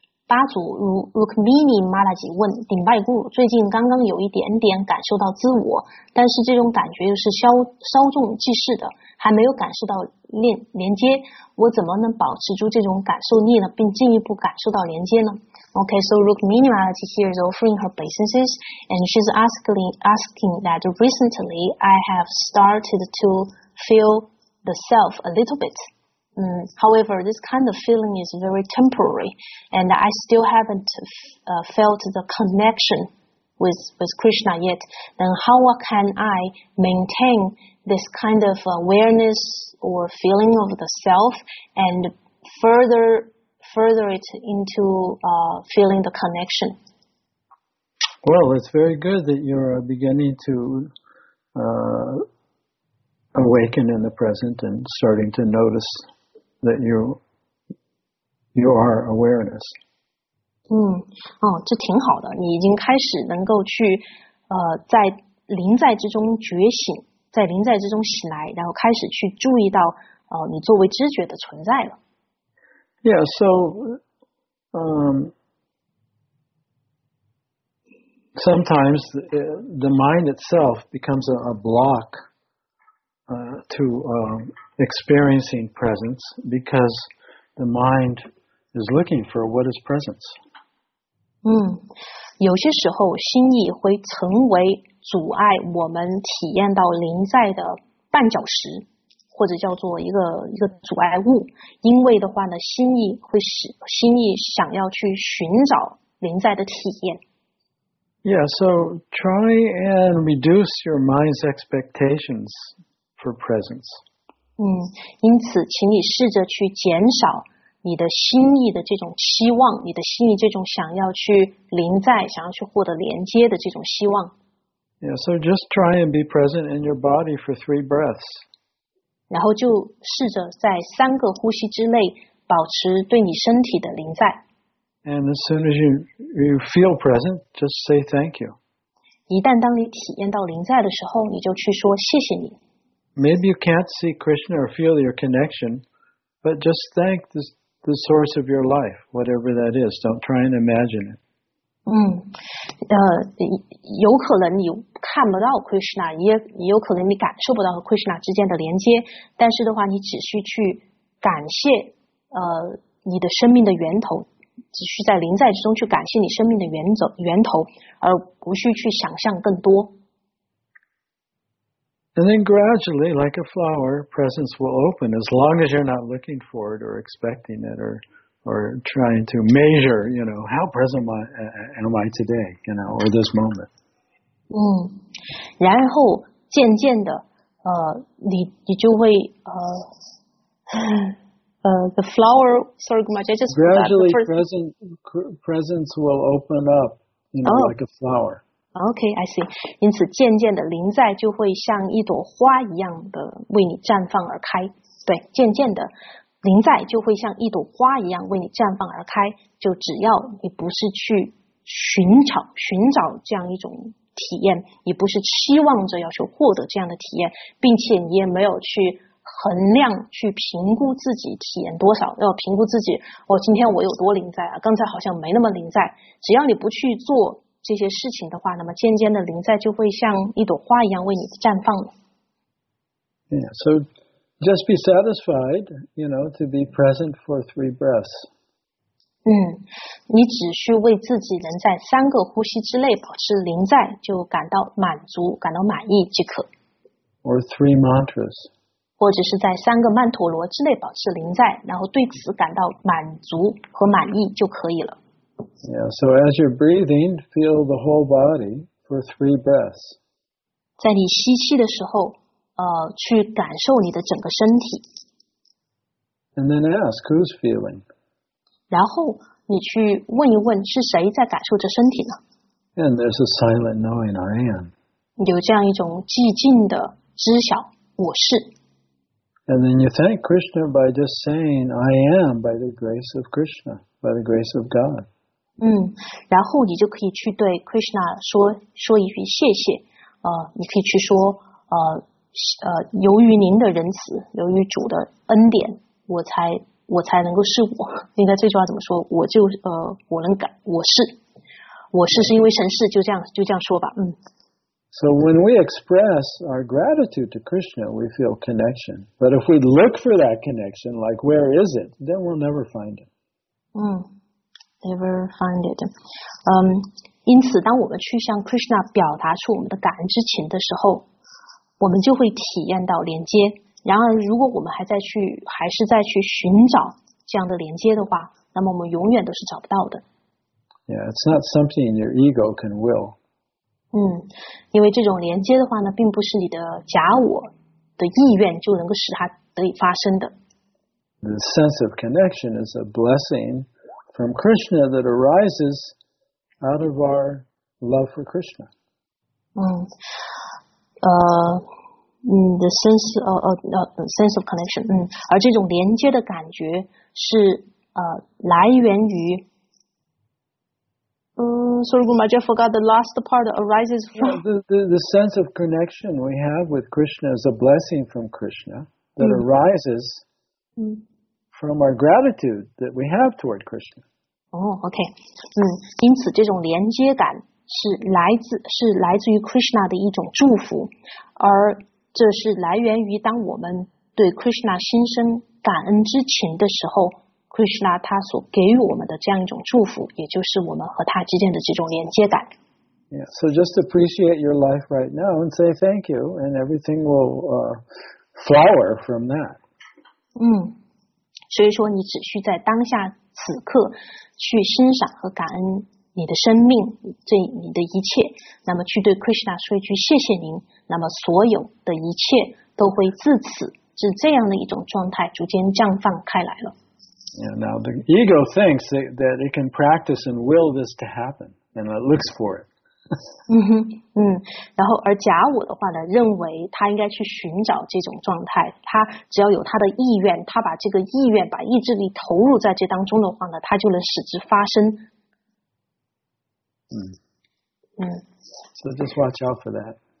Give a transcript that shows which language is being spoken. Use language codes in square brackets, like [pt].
[zh] 八祖 Rukmini Malaji 问顶拜古鲁，最近刚刚有一点点感受到自我，但是这种感觉又是稍纵即逝的，还没有感受到连接，我怎么能保持住这种感受力呢，并进一步感受到连接呢？ [en] Okay, so Rukmini Malaji here is offering her businesses, and she's asking that recently I have started to feel the self a little bit. However, this kind of feeling is very temporary, and I still haven't felt the connection with Krishna yet. Then how can I maintain this kind of awareness or feeling of the self and further it into feeling the connection? Well, it's very good that you're beginning to... awaken in the present and starting to notice that you are awareness. [zh] 这挺好的，你已经开始能够去在临在之中觉醒，在临在之中醒来，然后开始去注意到你作为知觉的存在了。 [en] Yeah, so sometimes the mind itself becomes a blockexperiencing presence, because the mind is looking for what is presence. [zh] 有些时候心意会成为阻碍我们体验到临在的绊脚石，或者叫做一个阻碍物，因为的话呢，心意想要去寻找临在的体验。 [en] Yeah, so try and reduce your mind's expectations. For presence. [zh] 因此请你试着去减少你的心意的这种期望，你的心意这种想要去临在，想要去获得连接的这种希望。 [en] Yeah, so just try and be present in your body for 3 breaths. [zh] 然后就试着在三个呼吸之内保持对你身体的临在。 [en] And as soon as you feel present, just say thank you. [zh] 一旦当你体验到临在的时候，你就去说谢谢你。 [en] Maybe you can't see Krishna or feel your connection, but just thank the source of your life, whatever that is. Don't try and imagine it. [zh] 有可能你看不到 Krishna, 也有可能你感受不到和 Krishna 之间的连接，但是的话你只需去感谢你的生命的源头，只需在临在之中去感谢你生命的源头，而不需去想象更多。 [en] And then gradually, like a flower, presence will open as long as you're not looking for it or expecting it or trying to measure, you know, how present am I today, you know, or this moment. [zh] 然后渐渐的你就会 [en] the flower, sorry, Guru Maharaj, I just forgot. Gradually, presence will open up, you know, like a flower. Okay, I see. [zh] 因此渐渐的临在就会像一朵花一样的为你绽放而开。对，渐渐的临在就会像一朵花一样为你绽放而开，就只要你不是去寻找这样一种体验，你不是期望着要去获得这样的体验，并且你也没有去衡量去评估自己体验多少，要评估自己我、哦、今天我有多临在啊，刚才好像没那么临在。只要你不去做这些事情的话，那么渐渐的临在就会像一朵花一样为你绽放了。 [en] Yeah, so just be satisfied, you know, to be present for three breaths. [zh] 嗯，你只需为自己能在三个呼吸之内保持临在就感到满足，感到满意即可。 [en] Or three mantras. [zh] 或者是在三个曼陀罗之内保持临在，然后对此感到满足和满意就可以了。 [en] Yeah, so as you're breathing, feel the whole body for three breaths. [zh] 在你吸气的时候去感受你的整个身体。 [en] And then ask who's feeling. [zh] 然后你去问一问是谁在感受着身体呢？ [en] And there's a silent knowing I am. [zh] 有这样一种寂静的知晓我是。 [en] And then you thank Krishna by just saying I am by the grace of Krishna, by the grace of God. [zh] 嗯，然后你就可以去对 Krishna 说一句谢谢。你可以去说由于您的仁慈，由于主的恩典，我才能够是我。应该这句话怎么说？我就我能改，我是因为神是，就这样说吧。嗯。 [en] So when we express our gratitude to Krishna, we feel connection. But if we look for that connection, like where is it? Then we'll never find it. 嗯 ，never find it. [zh] 因此当我们去向 Krishna 表达出我们的感恩之情的时候，我们就会体验到连接。然而如果我们还是在去寻找这样的连接的话，那么我们永远都是找不到的。 [en] Yeah, it's not something your ego can will. [zh] 嗯，因为这种连接的话呢，并不是你的假我的意愿就能够使它得以发生的。 [en] The sense of connection is a blessing from Krishna that arises out of our love for Krishna. 嗯。 The sense of connection, [zh] 嗯，而这种连接的感觉是来源于 [en] sorry, Guru Maharaj, I forgot the last part arises from the sense of connection we have with Krishna is a blessing from Krishna that arises from our gratitude that we have toward Krishna. Oh, okay. [zh] 嗯，因此这种连接感是来自于 Krishna 的一种祝福，而这是来源于当我们对 Krishna 心生感恩之情的时候， Krishna 他所给予我们的这样一种祝福，也就是我们和他之间的这种连接感。 [en] Yeah, so just appreciate your life right now and say thank you, and everything will flower from that. [zh] 嗯，所以说你只需在当下此刻去欣赏和感恩你的生命，对你的一切，那么去对 Krishna 说一句谢谢您，那么所有的一切都会自此是这样的一种状态逐渐绽放开来了。 [en] Yeah, now the ego thinks that it can practice and will this to happen, and it looks for it. [zh] 嗯，然后而假我的话呢，认为他应该去寻找这种状态，他只要有他的意愿，他把这个意愿把意志力投入在这当中的话呢，他就能使之发生。 [en] 嗯，So just watch out for that.